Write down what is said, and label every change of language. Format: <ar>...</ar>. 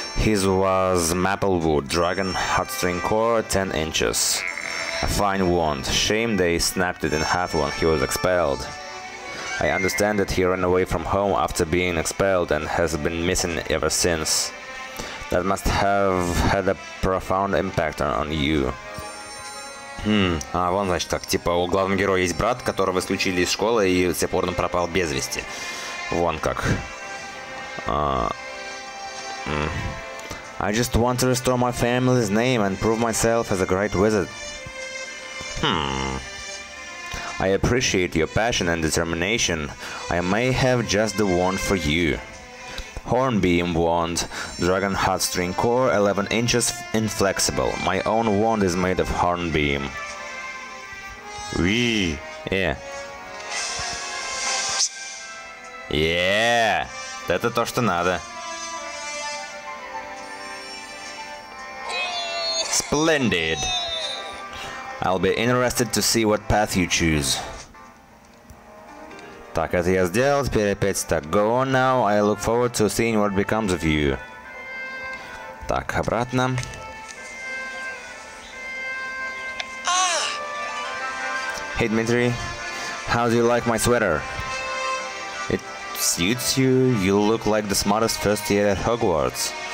<en>His was Maplewood, Dragon Heartstring Core, 10 inches. A fine wand. Shame they snapped it in half when he was expelled. I understand that he ran away from home after being expelled and has been missing ever since. That must have had a profound impact on you.</en> <ru>А вон, значит, так, типа, у главного героя есть брат, которого исключили из школы и с тех пор он пропал без вести. Вон как.</ru> <en>I just want to restore my family's name and prove myself as a great wizard. I appreciate your passion and determination. I may have just the wand for you. Hornbeam wand, dragon heartstring core, 11 inches inflexible. My own wand is made of hornbeam. Wee. Yeah. Yeah.</en> <ru>Это то, что надо.</ru> <en>Splendid. I'll be interested to see what path you choose.</en> <ru>Так, это я сделал, теперь опять так.</ru> <en>Go on now, I look forward to seeing what becomes of you.</en> <ru>Так, обратно.</ru> <en>Hey, Dmitri, how do you like my sweater? It suits you, you look like the smartest first year at Hogwarts.</en>